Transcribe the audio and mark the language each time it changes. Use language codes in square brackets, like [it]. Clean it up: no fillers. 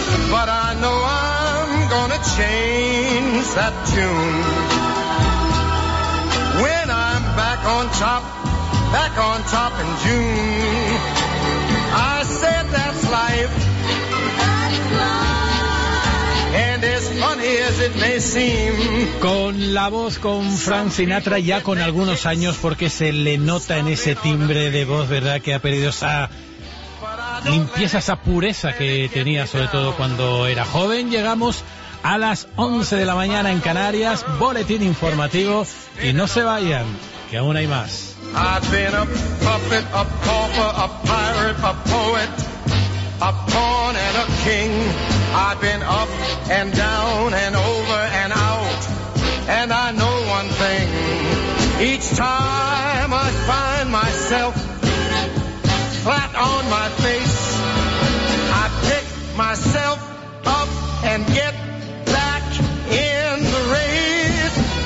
[en] But I know I'm gonna change that tune. When I'm back on top in June. I said that's life. [es] Con la voz, con Frank Sinatra, ya con algunos años, porque se le nota en ese timbre de voz, ¿verdad?, que ha perdido esa limpieza, esa pureza que tenía, sobre todo cuando era joven. Llegamos a las 11 de la mañana en Canarias, boletín informativo, y no se vayan, que aún hay más. [en] I've been a puppet, a pauper, a pirate, a poet, a pawn and a king. I've been up and down and over and out, and I know one thing. Each time I find myself flat on my face, I pick myself up and get back in the race.